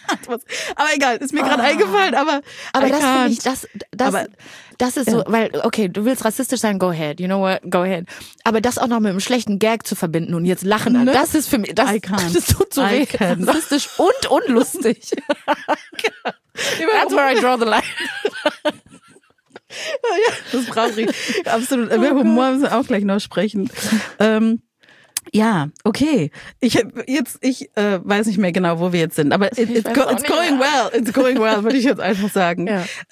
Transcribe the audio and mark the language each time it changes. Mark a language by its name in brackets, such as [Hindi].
[German] Aber egal, ist mir gerade eingefallen, aber das finde ich, das ist so, ja. weil, okay, du willst rassistisch sein, [English] go ahead, you know what, go ahead. [German] Aber das auch noch mit einem schlechten Gag zu verbinden und jetzt lachen, ne? Das ist für mich, das tut so weh. Rassistisch und unlustig. [English] That's where I draw the line. [German] Ja, das brauche ich. Absolut. Oh, Humor müssen wir auch gleich noch sprechen. Ja, okay. Ich weiß nicht mehr genau, wo wir jetzt sind, aber [English] it's going well, [German] würde ich jetzt einfach sagen. Ja.